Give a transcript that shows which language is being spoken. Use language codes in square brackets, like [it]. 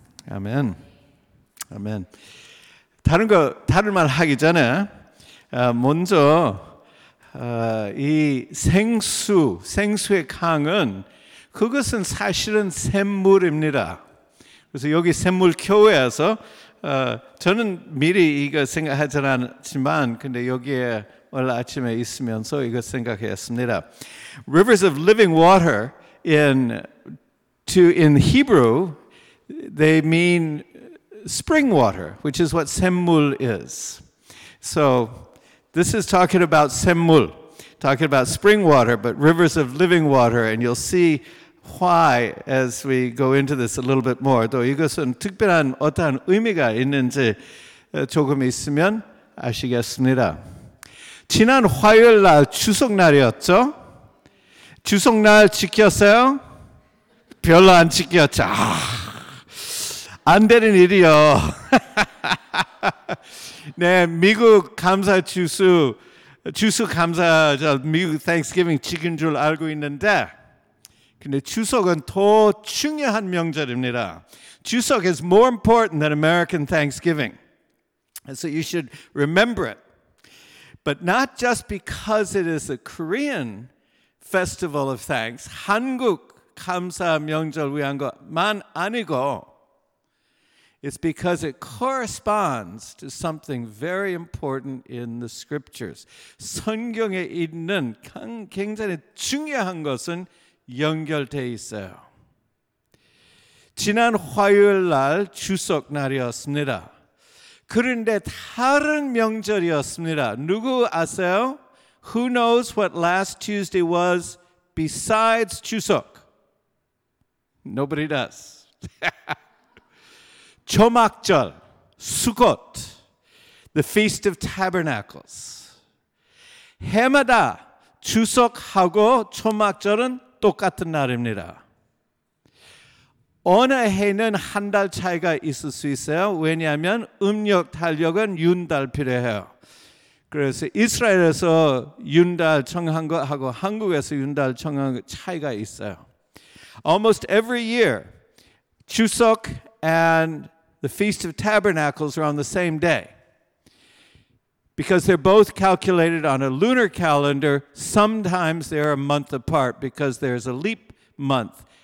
[ko] 아멘. 아멘. 다른 말 하기 전에 먼저 이 생수의 강은 그것은 사실은 샘물입니다. 그래서 여기 샘물 교회에서 저는 미리 이거 생각하지 않았지만 근데 여기에 오늘 아침에 있으면서 이거 생각했습니다. [en] Rivers of living water in Hebrew they mean spring water, which is what 샘물 is. So this is talking about 샘물, talking about spring water, but rivers of living water, and you'll see why as we go into this a little bit more. [ko] 또 이것은 특별한 어떤 의미가 있는지 조금 있으면 아시겠습니다. 지난 화요일 날 추석날이었죠? 추석날 지켰어요? 별로 안 지켰죠. 안 되는 일이요. 네, 미국 감사 추수 감사 저 미국 Thanksgiving 지킨 줄 알고 있는데, 근데 추석은 더 중요한 명절입니다. [en] 추석 is more important than American Thanksgiving, so you should remember it. But not just because it is a Korean festival of thanks, [ko] 한국 감사 명절 위한 것만 아니고. [en] It's because it corresponds to something very important in the scriptures. [ko] 성경에 있는 굉장히 중요한 것은 연결되어 있어요. 지난 화요일 날 추석 날이었습니다. 그런데 다른 명절이었습니다. 누구 아세요? [en] Who knows what last Tuesday was besides 추석? Nobody does. 초막절, 수곳, the Feast of Tabernacles. [ko] 해마다 추석하고 초막절은 똑같은 날입니다. 어느 해는 한 달 차이가 있을 수 있어요. 왜냐하면 음력 달력은 윤달 필요해요. 그래서 이스라엘에서 윤달 정한 것하고 한국에서 윤달 정한 것 차이가 있어요. [en] Almost every year, 추석 and The Feast of Tabernacles are on the same day. Because they're both calculated on a lunar calendar, sometimes they're a month apart because there's a leap month.